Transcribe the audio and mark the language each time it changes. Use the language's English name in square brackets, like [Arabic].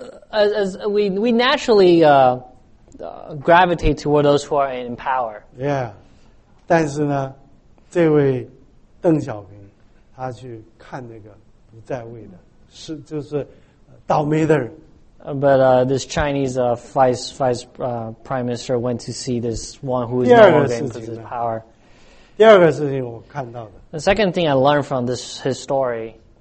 [English] As we naturally gravitate toward those who are in power. Yeah. [Chinese] 但是呢，这位邓小平，他去看那个不在位的，是就是倒霉的人。 [English] But this Chinese vice prime minister went to see this one who is no longer in position of power. The second thing I learned from this story